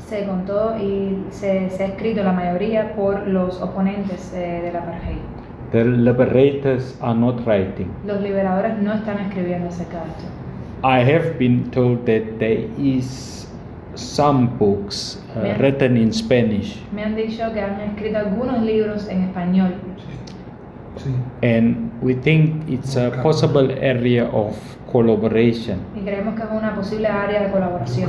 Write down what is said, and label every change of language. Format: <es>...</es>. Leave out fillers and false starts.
<es>Se contó y se ha escrito la mayoría por los oponentes de la apartheid.</es> <en>The liberators are not writing.</en> <es>Los liberadores no están escribiendo acerca de esto.</es> <en>I have been told that there is some books written in Spanish.</en> <es>Me han dicho que han escrito algunos libros en español. Sí.</es> <en>And we think it's a possible area of collaboration.</en> <es>Y creemos que es una posible área de colaboración.</es>